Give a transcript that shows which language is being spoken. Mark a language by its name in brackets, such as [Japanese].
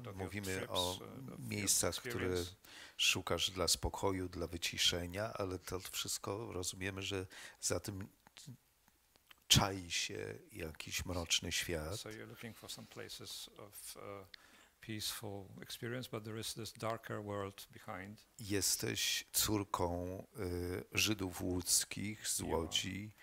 [Polish] Mówimy o miejscach, które szukasz dla spokoju, dla wyciszenia, ale to wszystko rozumiemy, że za tym czai się jakiś mroczny świat. [English] So you're looking for some places of peaceful experience, but there is this darker world behind. [Polish] Jesteś córką Żydów łódzkich z Łodzi.